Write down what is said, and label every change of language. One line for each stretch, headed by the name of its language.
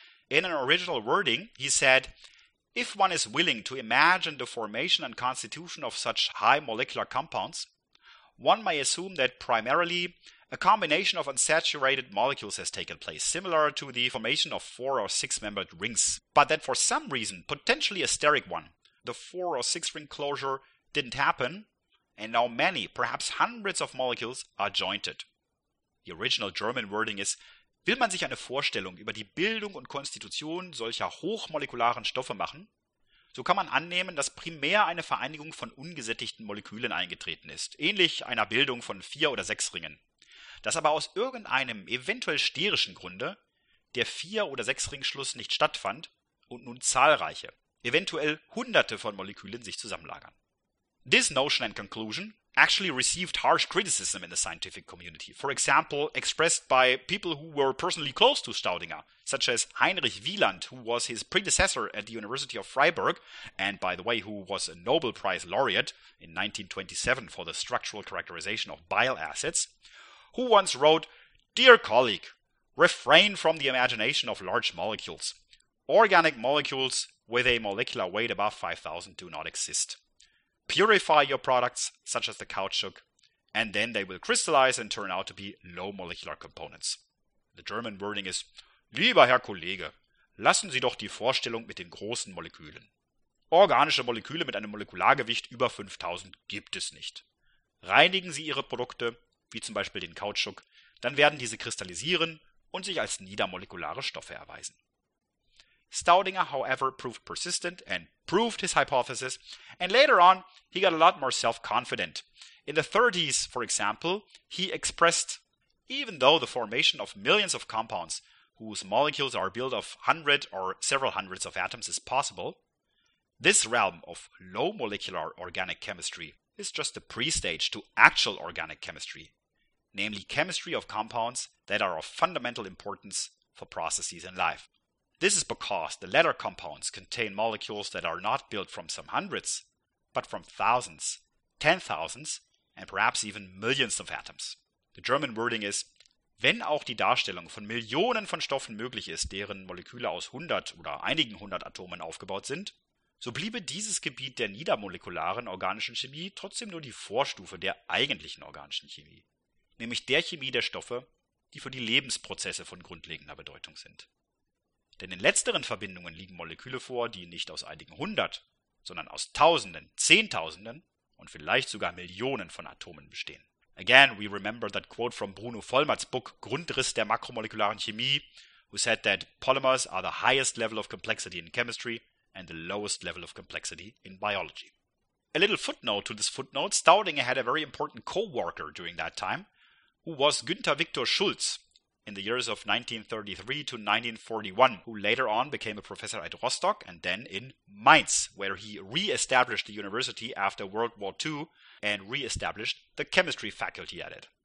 English: In an original wording, he said, "If one is willing to imagine the formation and constitution of such high molecular compounds, one may assume that primarily a combination of unsaturated molecules has taken place, similar to the formation of four or six-membered rings, but that for some reason, potentially a steric one, the four or six-ring closure didn't happen, and now many, perhaps hundreds of molecules are jointed." The original German wording is,
German: "Will man sich eine Vorstellung über die Bildung und Konstitution solcher hochmolekularen Stoffe machen, so kann man annehmen, dass primär eine Vereinigung von ungesättigten Molekülen eingetreten ist, ähnlich einer Bildung von vier oder sechs Ringen." dass aber aus irgendeinem eventuell sterischen Grunde der Vier- oder Sechsringschluss nicht stattfand und nun zahlreiche, eventuell hunderte von Molekülen sich zusammenlagern.
English: This notion and conclusion actually received harsh criticism in the scientific community, for example, expressed by people who were personally close to Staudinger, such as Heinrich Wieland, who was his predecessor at the University of Freiburg, and by the way, who was a Nobel Prize laureate in 1927 for the structural characterization of bile acids, who once wrote, "Dear colleague, refrain from the imagination of large molecules. Organic molecules with a molecular weight above 5000 do not exist. Purify your products, such as the caoutchouc, and then they will crystallize and turn out to be low molecular components." The German wording is,
German: "Lieber Herr Kollege, lassen Sie doch die Vorstellung mit den großen Molekülen. Organische Moleküle mit einem Molekulargewicht über 5000 gibt es nicht. Reinigen Sie Ihre Produkte, wie zum Beispiel den Kautschuk, dann werden diese kristallisieren und sich als niedermolekulare Stoffe erweisen."
English: Staudinger, however, proved persistent and proved his hypothesis, and later on, he got a lot more self-confident. In the 30s, for example, he expressed, "Even though the formation of millions of compounds whose molecules are built of 100 or several hundreds of atoms is possible, this realm of low molecular organic chemistry is just a pre-stage to actual organic chemistry, namely chemistry of compounds that are of fundamental importance for processes in life. This is because the latter compounds contain molecules that are not built from some hundreds, but from thousands, ten thousands, and perhaps even millions of atoms." The German wording is,
German: "Wenn auch die Darstellung von Millionen von Stoffen möglich ist, deren Moleküle aus 100 oder einigen 100 Atomen aufgebaut sind, so bliebe dieses Gebiet der niedermolekularen organischen Chemie trotzdem nur die Vorstufe der eigentlichen organischen Chemie, nämlich der Chemie der Stoffe, die für die Lebensprozesse von grundlegender Bedeutung sind. Denn in letzteren Verbindungen liegen Moleküle vor, die nicht aus einigen hundert, sondern aus tausenden, zehntausenden und vielleicht sogar Millionen von Atomen bestehen."
English: Again, we remember that quote from Bruno Vollmert's book Grundriss der makromolekularen Chemie, who said that polymers are the highest level of complexity in chemistry and the lowest level of complexity in biology. A little footnote to this footnote, Staudinger had a very important co-worker during that time, who was Günther Victor Schulz, in the years of 1933 to 1941, who later on became a professor at Rostock and then in Mainz, where he re-established the university after World War II and re-established the chemistry faculty at it.